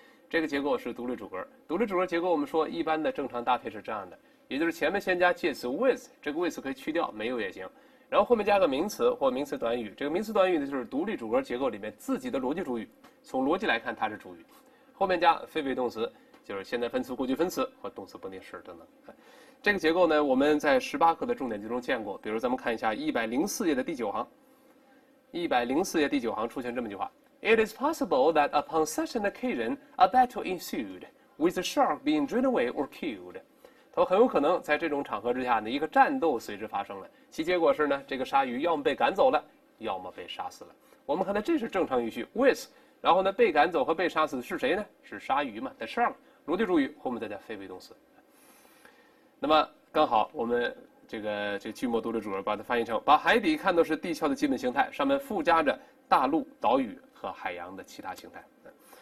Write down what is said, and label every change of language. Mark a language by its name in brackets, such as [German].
[Chinese] 这个结构是独立主格，独立主格结构我们说一般的正常搭配是这样的，也就是前面先加介词 with，这个 with 可以去掉，没有也行，然后后面加个名词或名词短语，这个名词短语呢就是独立主格结构里面自己的逻辑主语，从逻辑来看它是主语。后面加非谓动词，就是现在分词、过去分词和动词不定式等等。这个结构呢，我们在18课的重点集中见过。比如，咱们看一下104页的第九行。 [English] 104页第九行出现这么一句话：“ It is possible that upon such an occasion, a battle ensued, with the shark being driven away or killed。” [Chinese] 它很有可能在这种场合之下呢，一个战斗随之发生了，其结果是呢，这个鲨鱼要么被赶走了，要么被杀死了。我们看到这是正常语序，with。然后呢，被赶走和被杀死的是谁呢？是鲨鱼嘛？ The shark，逻辑主语后面再加非谓动词。那么刚好我们这个句末独立主格把它翻译成：把海底看作是地壳的基本形态，上面附加着大陆、岛屿和海洋的其他形态。